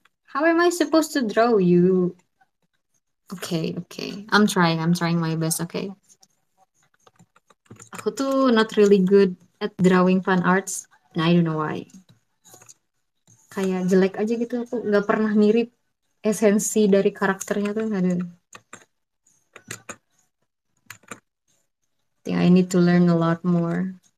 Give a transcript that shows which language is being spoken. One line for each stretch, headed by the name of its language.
English: How am I supposed to draw you? Okay. I'm trying my best, okay?
Indonesian: Aku tuh
English: not really good at drawing fan arts. And I don't know why.
Indonesian: Kayak jelek aja gitu, aku gak pernah mirip esensi dari karakternya tuh. Aduh.
English: Yeah, I need to learn a lot more.